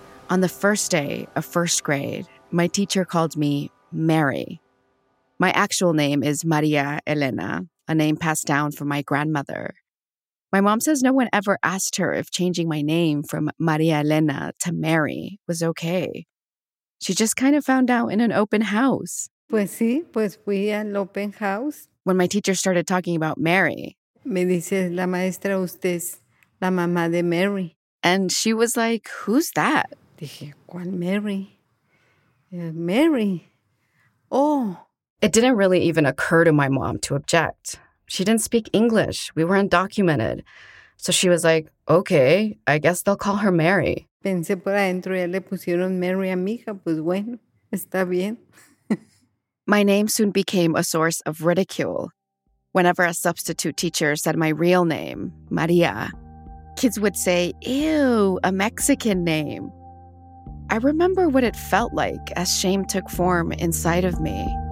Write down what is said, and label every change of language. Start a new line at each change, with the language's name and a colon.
English: On the first day of first grade, my teacher called me Mary. My actual name is Maria Elena, a name passed down from my grandmother. My mom says no one ever asked her if changing my name from Maria Elena to Mary was okay. She just kind of found out in an open house.
Spanish: Pues sí, pues fui al open house.
English: When my teacher started talking about Mary,
Spanish: me dice, la maestra, usted es la mamá de Mary.
English: And she was like, who's that?
Spanish: Dije, ¿cuál Mary? Mary. Oh.
English: It didn't really even occur to my mom to object. She didn't speak English. We were undocumented. So she was like, okay, I guess they'll call her Mary.
Spanish: Pensé por adentro, ya le pusieron Mary a mi hija. Pues bueno, está bien.
English: My name soon became a source of ridicule. Whenever a substitute teacher said my real name, Maria, kids would say, ew, a Mexican name. I remember what it felt like as shame took form inside of me.